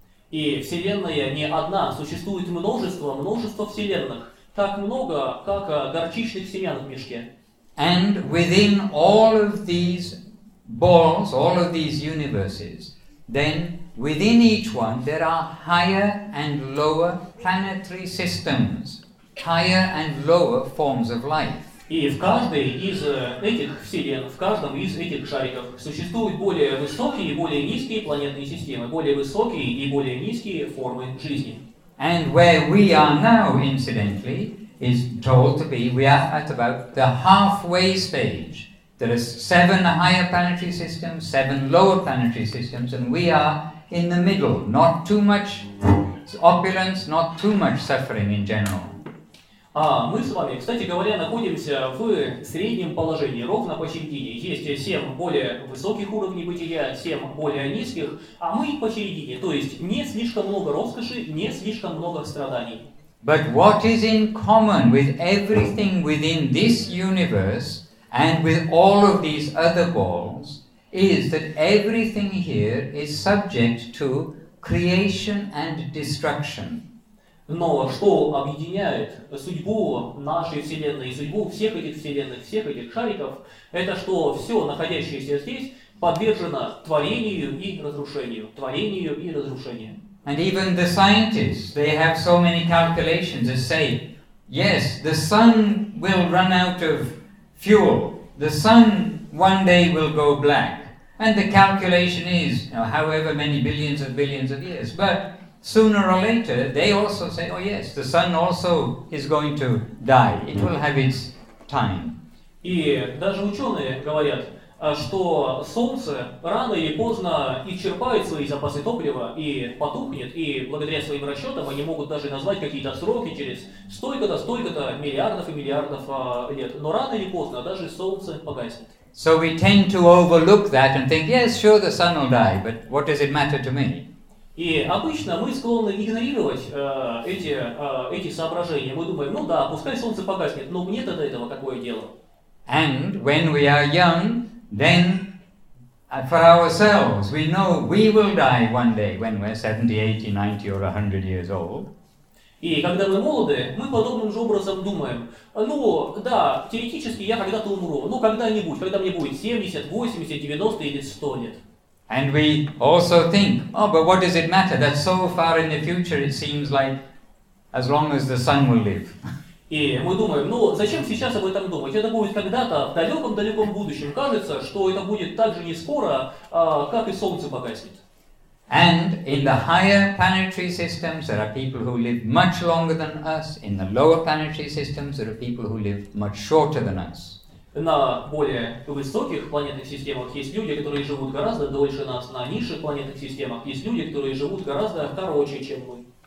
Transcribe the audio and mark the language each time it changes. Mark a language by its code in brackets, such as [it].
[ru] И Вселенная не одна, существует множество, множество Вселенных, так много, как горчичных семян в мешке. [en] And within all of these balls, all of these universes, then within each one there are higher and lower planetary systems, higher and lower forms of life. [ru] И в каждой из этих вселенных, в каждом из этих шариков существуют более высокие и более низкие планетные системы, более высокие и более низкие формы жизни. [en] And where we are now, incidentally, is told to be, we are at about the halfway stage. There are 7 higher planetary systems, 7 lower planetary systems, and we are in the middle. Not too much opulence, not too much suffering in general. [ru] А мы с вами, кстати говоря, находимся в среднем положении, ровно посередине. Есть 7 более высоких уровней бытия, 7 более низких, а мы посередине. То есть не слишком много роскоши, не слишком много страданий. [en] But what is in common with everything within this universe and with all of these other balls is that everything here is subject to creation and destruction. [ru] Но что объединяет судьбу нашей Вселенной, судьбу всех этих Вселенных, всех этих шариков, это что все находящееся здесь подвержено творению и разрушению. Творению и разрушению. [en] And even the scientists, they have so many calculations that say, yes, the sun will run out of fuel. The sun one day will go black. And the calculation is, you know, however many billions of billions of years. But sooner or later, they also say, oh yes, the sun also is going to die. It will have its time. [ru] И даже ученые говорят, что Солнце рано или поздно исчерпает свои запасы топлива и потухнет, и благодаря своим расчетам они могут даже назвать какие-то сроки через столько-то, столько-то миллиардов и миллиардов лет. Но рано или поздно даже Солнце погаснет. [en] So we tend to overlook that and think, yes, sure, the sun will die, but what does it matter to me? [ru] И обычно мы склонны игнорировать эти соображения. Мы думаем, ну да, пускай Солнце погаснет, но мне-то до этого какое дело? [en] And when we are young, then for ourselves, we know we will die one day when we're 70, 80, 90 or 100 years old. [ru] И когда мы молоды, мы подобным же образом думаем, ну да, теоретически я когда-то умру, но когда-нибудь, когда мне будет 70, 80, 90 или 100 лет. [en] And we also think, oh, but what does it matter? That's so far in the future, it seems like as long as the sun will live. [ru] И мы думаем, ну зачем сейчас об этом думать? Это будет когда-то в далеком-далеком будущем. Кажется, что это будет так же не скоро, как и Солнце погаснет. [en] And in the higher planetary systems, there are people who live much longer than us. In the lower planetary systems, there are people who live much shorter than us. [ru] На более высоких планетных системах есть люди, которые живут гораздо дольше нас. На низших планетных системах есть люди, которые живут гораздо короче, чем мы.